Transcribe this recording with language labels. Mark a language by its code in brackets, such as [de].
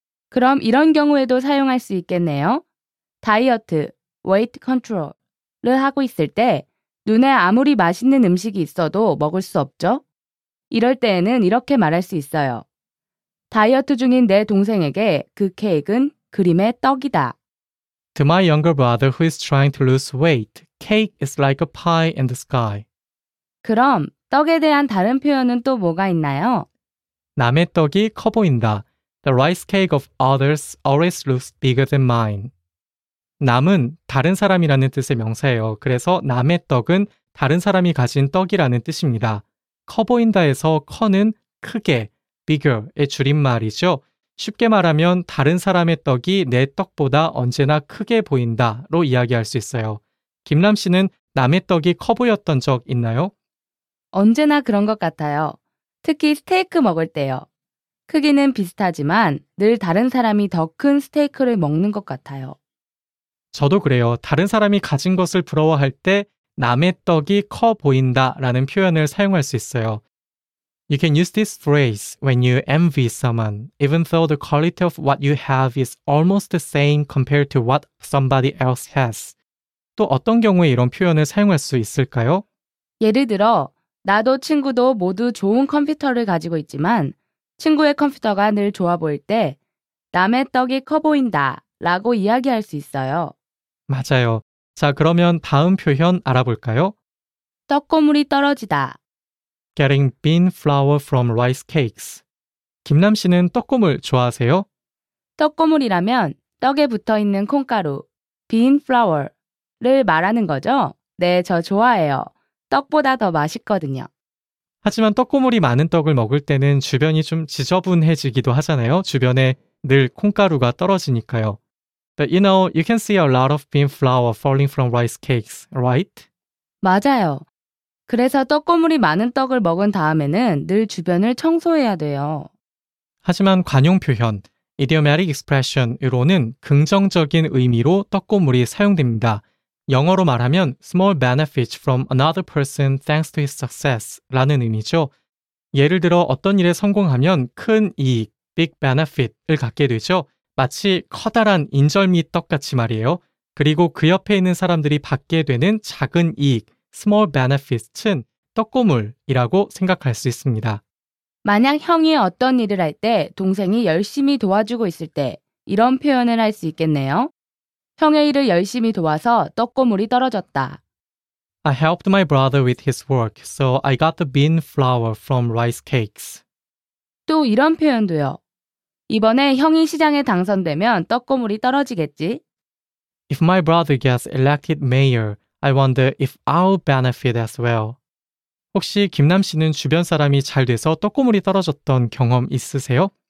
[ko] 그럼 이런 경우에도 사용할 수 있겠네요. 다이어트, [en] weight control [ko] 을 하고 있을 때 눈에 아무리 맛있는 음식이 있어도 먹을 수 없죠? 이럴 때에는 이렇게 말할 수 있어요. 다이어트 중인 내 동생에게 그 케이크는 그림의 떡이다. [en] To my younger brother who is trying to lose weight, cake is like a pie in the sky. [ko] 그럼 떡에 대한 다른 표현은 또 뭐가 있나요? 남의 떡이 커 보인다. [en] The rice cake of others always looks bigger than mine. [ko] 남은 다른 사람이라는 뜻의 명사예요. 그래서 남의 떡은 다른 사람이 가진 떡이라는 뜻입니다. 커 보인다에서 커는 크게, bigger의 줄임말이죠. 쉽게 말하면 다른 사람의 떡이 내 떡보다 언제나 크게 보인다로 이야기할 수 있어요. 김남 씨는 남의 떡이 커 보였던 적 있나요? 언제나 그런 것 같아요. 특히 스테이크 먹을 때요. 크기는 비슷하지만 늘 다른 사람이 더 큰 스테이크를 먹는 것 같아요. 저도 그래요. 다른 사람이 가진 것을 부러워할 때 남의 떡이 커 보인다라는 표현을 사용할 수 있어요. [en] You can use this phrase when you envy someone, even though the quality of what you have is almost the same compared to what somebody else has. [ko] 또 어떤 경우에 이런 표현을 사용할 수 있을까요? 예를 들어, 나도 친구도 모두 좋은 컴퓨터를 가지고 있지만 친구의 컴퓨터가 늘 좋아 보일 때 남의 떡이 커 보인다 라고 이야기할 수 있어요. 맞아요. 자, 그러면 다음 표현 알아볼까요? 떡고물이 떨어지다. [en] Getting bean flour from rice cakes. [ko] 김남 씨는 떡고물 좋아하세요? 떡고물이라면 떡에 붙어있는 콩가루, [en] bean flour [ko] 를 말하는 거죠? 네, 저 좋아해요. 떡보다 더 맛있거든요. 하지만 떡고물이 많은 떡을 먹을 때는 주변이 좀 지저분해지기도 하잖아요. 주변에 늘 콩가루가 떨어지니까요. [en] But you know, you can see a lot of bean flour falling from rice cakes, right? [ko] 맞아요. 그래서 떡고물이 많은 떡을 먹은 다음에는 늘 주변을 청소해야 돼요. 하지만 관용 표현, [en] Idiomatic expression [ko] 으로는 긍정적인 의미로 떡고물이 사용됩니다. 영어로 말하면 [en] small benefit from another person thanks to his success [ko] 라는 의미죠. 예를 들어 어떤 일에 성공하면 큰 이익, [en] big benefit [ko] 을 갖게 되죠. 마치 커다란 인절미 떡같이 말이에요. 그리고 그 옆에 있는 사람들이 받게 되는 작은 이익, [en] small benefits [ko] 은 떡고물이라고 생각할 수 있습니다. 만약 형이 어떤 일을 할 때 동생이 열심히 도와주고 있을 때 이런 표현을 할 수 있겠네요. 형의 일을 열심히 도와서 떡고물이 떨어졌다. [en] I helped my brother with his work, so I got the bean flour from rice cakes. [ko] 또 이런 표현도요. 이번에 형이 시장에 당선되면 떡고물이 떨어지겠지. [en] If my brother gets elected mayor, I wonder if I'll benefit as well. [ko] 혹시 김남 씨는 주변 사람이 잘 돼서 떡고물이 떨어졌던 경험 있으세요?